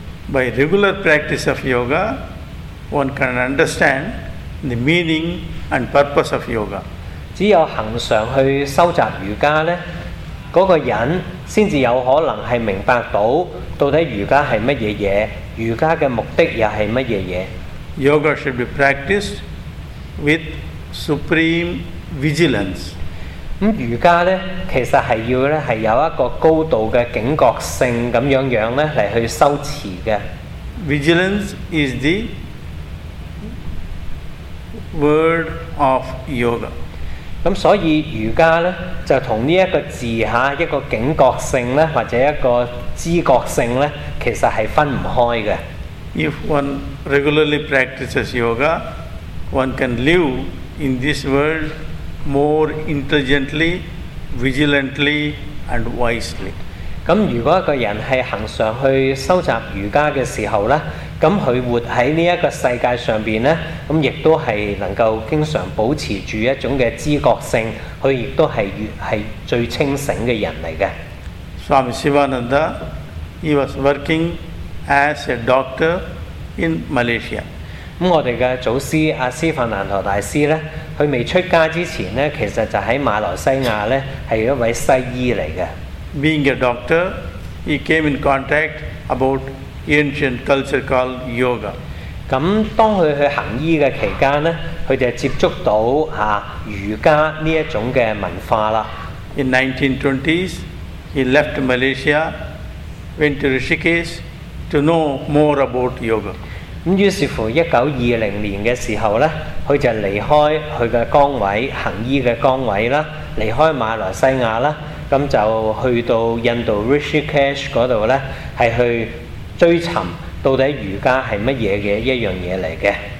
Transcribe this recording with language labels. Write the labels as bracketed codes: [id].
[en] By regular practice of yoga, one can understand the meaning and purpose of yoga. [yue] 只有恆常去修習瑜伽咧。嗰、那個人先至有可能係明白到到底瑜伽係乜嘢嘢，瑜伽嘅目的又係乜嘢嘢。 [en] Yoga should be practiced with supreme vigilance。 [yue] 咁瑜伽咧，其實係要咧係有一個高度嘅警覺性咁樣樣咧嚟去修持嘅。 [en] Vigilance is the word of yoga。 [yue] 咁所以瑜伽咧就同呢一個字嚇一個警覺性咧或者一個知覺性咧，其實係分唔開嘅。 [en] If one regularly practices yoga, one can live in this world more intelligently, vigilantly, and wisely. [yue] 咁如果一個人係恆常去修習瑜伽嘅時候咧，咁佢活喺呢一個世界上邊咧，咁亦都係能夠經常保持住一種嘅知覺性，佢亦都係最清醒嘅人嚟嘅。 [en] Swami Sivananda, he was working as a doctor in Malaysia。 [yue] 咁我哋嘅祖師阿斯凡南陀大師咧，佢未出家之前咧，其實就喺馬來西亞咧係一位西醫嚟嘅。 [en] Being a doctor, he came in contact about ancient culture called yoga. [yue] 咁當佢去行醫嘅期間咧，佢就接觸到嚇瑜伽呢一種嘅文化啦。 [en] In 1920s, he left Malaysia, went to Rishikesh to know more about yoga. [yue] 咁於是乎，1920年嘅時候咧，佢就離開佢嘅崗位，行醫嘅崗位啦，離開馬來西亞啦，咁就去到印度 Rishikesh 嗰度咧，係去追尋到底瑜伽係乜嘢嘅一樣嘢嚟嘅。